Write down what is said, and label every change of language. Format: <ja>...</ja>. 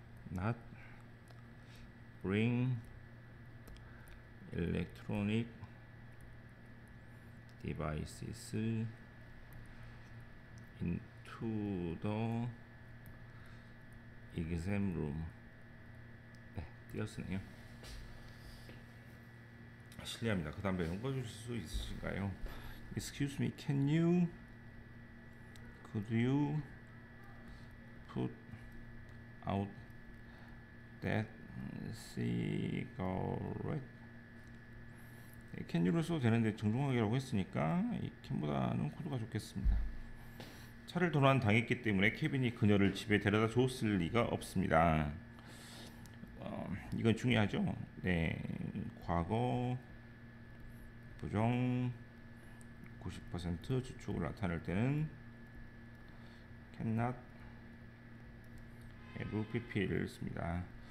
<en>not bring electronic devices into the exam room.</en> <ko>네, 띄어쓰네요. 실례합니다. 그 담배 연구해 주실 수 있으신가요?</ko> <en>Excuse me, can you, could you put out that cigarette? Can you</en> <ko>로 써도 되는데 정중하게라고 했으니까 이 can보다는 could가 좋겠습니다. 차를 도난당했기 때문에 케빈이 그녀를 집에 데려다 줬을 리가 없습니다. 이건 중요하죠. 네, 과거 부정 90% 주축을 나타낼 때는</ko> <en>cannot have PP</en> <ko>를 씁니다.</ko>